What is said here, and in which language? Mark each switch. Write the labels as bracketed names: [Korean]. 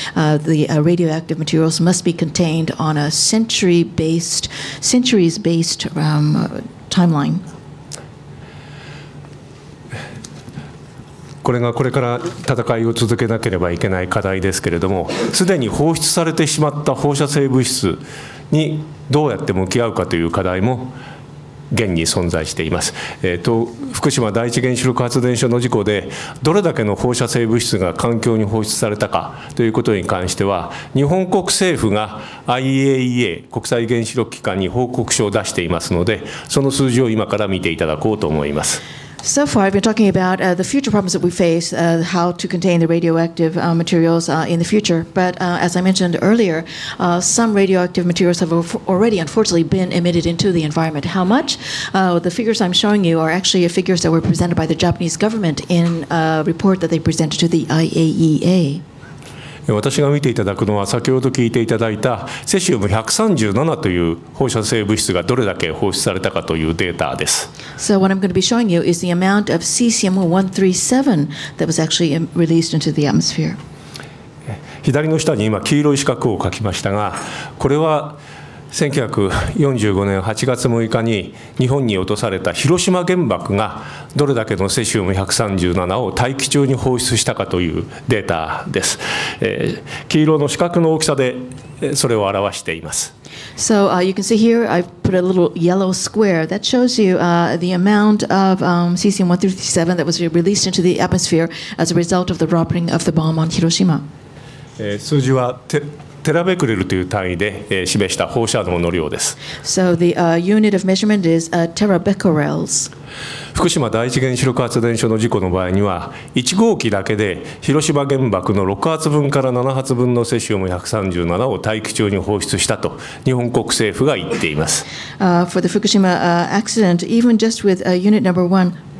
[English] The radioactive materials must be contained on a centuries-based timeline. [Japanese] これがこれから戦いを続けなければいけない課題ですけれども、すでに放出されてしまった放射性物質にどうやって向き合うかという課題も現に存在しています。福島第一原子力発電所の事故で、どれだけの放射性物質が環境に放出されたかということに関しては、日本国政府が IAEA、国際原子力機関に報告書を出していますので、その数字を今から見ていただこうと思います。 [English] So far, I've been talking about the future problems that we face, how to contain the radioactive materials in the future. But as I mentioned earlier, some radioactive materials have already, unfortunately, been emitted into the environment. How much? The figures I'm showing you are actually figures that were presented by the Japanese government in a report that they presented to the IAEA. [Japanese] 私が見ていただくのは、先ほど聞いていただいたセシウム137という放射性物質がどれだけ放出されたかというデータです。 [English] So what I'm going to be showing you is the amount of cesium-137 that was actually released into the atmosphere. [Japanese] 左の下に今黄色い四角を書きましたが、これは1945年8月6日に日本に落とされた広島原爆がどれだけのセシウム137を大気中に放出したかというデータです。黄色の四角の大きさでそれを表しています。 [English] So, you can see here, I've put a little yellow square that shows you the amount of cesium-137 that was released into the atmosphere as a result of the dropping of the bomb on Hiroshima. [Japanese] 数字はテラベクレルという単位で示した放射能の量です。 [English] So the unit of measurement is terabecquerels. [Japanese] 福島第一原子力発電所の事故の場合には、1号機だけで広島原爆の6発分から7発分のセシウム137を大気中に放出したと日本国政府が言っています。 [English] For the Fukushima accident, even just with unit number one,